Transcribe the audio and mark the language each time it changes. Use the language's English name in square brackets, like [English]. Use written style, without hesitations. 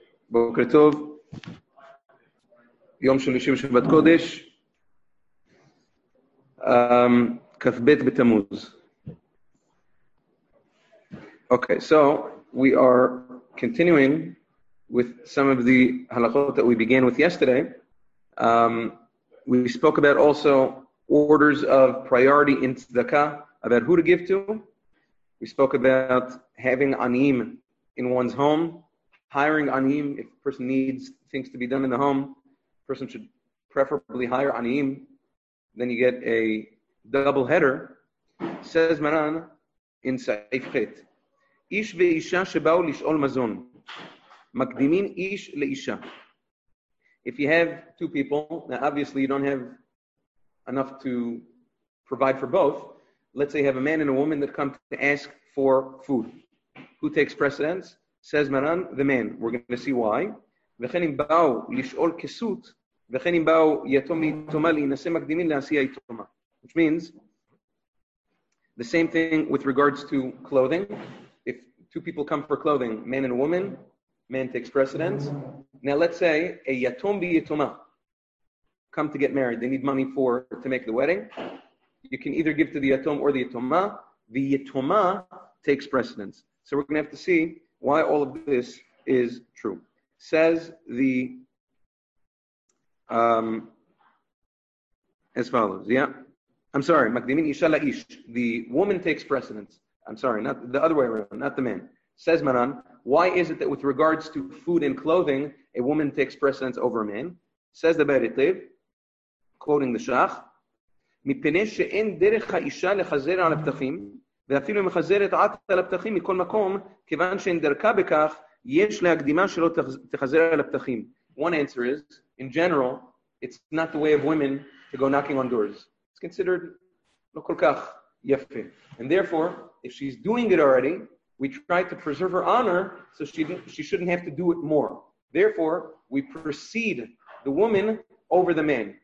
[Hebrew] בוקר טוב, יום שלישי בשבת קודש, כ"ב בתמוז. [English] Okay, so we are continuing with some of the halakhot that we began with yesterday. We spoke about also orders of priority in tzedakah, about who to give to. We spoke about having aniyim in one's home. Hiring aniyim, if a person needs things to be done in the home, a person should preferably hire aniyim. Then you get a double header. Says Maran in Saif Chet, [Hebrew] Ish ve'isha shebao lish'ol mazon, makdimin ish le'isha. [English] If you have two people, now obviously you don't have enough to provide for both. Let's say you have a man and a woman that come to ask for food. Who takes precedence? Says Maran, the man. We're going to see why. [Hebrew] וכן אם באו לשאול כסות, וכן אם באו יתום מיתומה להינשא מקדימין להשיע יתומה. [English] Which means, the same thing with regards to clothing. If two people come for clothing, man and woman, man takes precedence. Now let's say, a יתום ביתומה come to get married. They need money for to make the wedding. You can either give to the יתום or the יתומה. The יתומה takes precedence. So we're going to have to see why all of this is true. Says the as follows. Yeah. I'm sorry, [Hebrew] Makdimin Isha La'ish. [English] The woman takes precedence. I'm sorry, not the other way around, not the man. Says Maran, why is it that with regards to food and clothing, a woman takes precedence over a man? Says the Beritiv, quoting the Shach, [Hebrew] Mipene she'en derech ha'isha lechazer al ha'ptachim, ואפילו אם חזרת עת על הפתחים מכל מקום, כיוון שאין דרכה בכך, יש להקדימה שלא תחזר על הפתחים. [English] One answer is, in general, it's not the way of women to go knocking on doors. It's considered [Hebrew] לא כל כך יפה. [English] And therefore, if she's doing it already, we try to preserve her honor, so she shouldn't have to do it more. Therefore, we precede the woman over the man.